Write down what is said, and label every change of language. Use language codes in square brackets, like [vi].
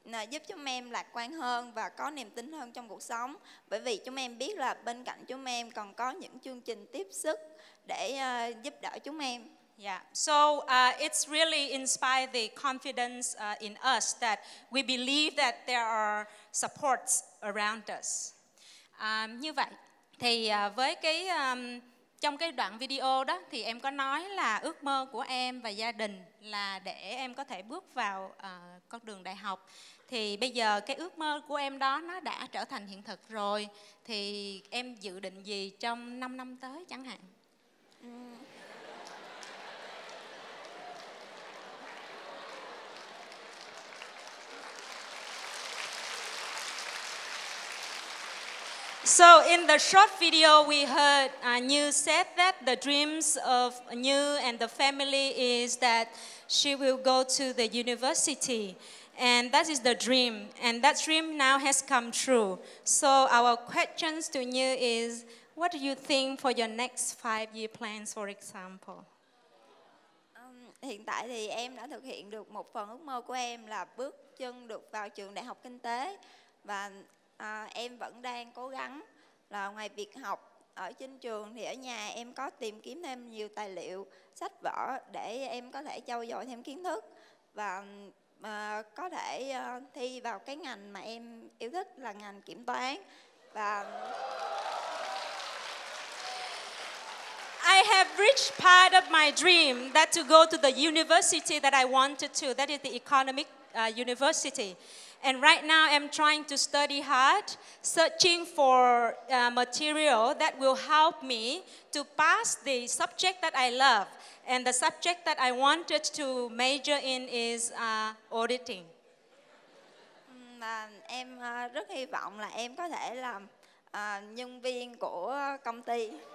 [vi] Giúp chúng em lạc quan hơn và có niềm tin hơn trong cuộc sống, bởi vì chúng em biết là bên cạnh chúng em còn có những chương trình tiếp sức để giúp đỡ chúng em. [en] Yeah, so it's really inspired the confidence in us that we believe that there are supports around us. [vi] Như vậy, thì với cái trong cái đoạn video đó thì em có nói là ước mơ của em và gia đình là để em có thể bước vào con đường đại học. Thì bây giờ cái ước mơ của em đó nó đã trở thành hiện thực rồi, thì em dự định gì trong 5 năm tới chẳng hạn? [en] So in the short video we heard, Nhu said that the dreams of Nhu and the family is that she will go to the university. And that is the dream. And that dream now has come true. So our questions to Nhu is, what do you think for your next 5-year plans, for example? [vi] Hiện tại thì em đã thực hiện được một phần ước mơ của em là bước chân được vào trường đại học kinh tế. Và em vẫn đang cố gắng là ngoài việc học ở trên trường thì ở nhà em có tìm kiếm thêm nhiều tài liệu, sách vở để em có thể trau dồi thêm kiến thức và có thể thi vào cái ngành mà em yêu thích là ngành kiểm toán. Và [en] I have reached part of my dream that to go to the university that I wanted to, that is the economic university. And right now I'm trying to study hard, searching for material that will help me to pass the subject that I love. And the subject that I wanted to major in is auditing. [vi] Em rất hy vọng là em có thể làm nhân viên của công ty.